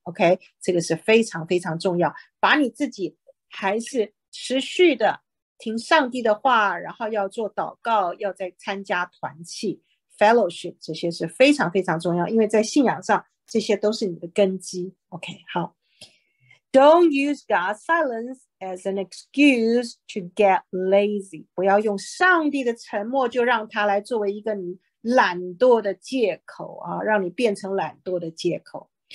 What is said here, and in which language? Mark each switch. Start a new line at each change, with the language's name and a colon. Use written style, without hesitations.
Chinese: OK， 这个是非常非常重要，把你自己还是持续的听上帝的话，然后要做祷告，要再参加团契 fellowship， 这些是非常非常重要，因为在信仰上这些都是你的根基。 OK， 好。
English: Don't use God's silence as an excuse to get lazy.
Chinese: 不要用上帝的沉默就让他来作为一个你懒惰的借口啊，让你变成懒惰的借口。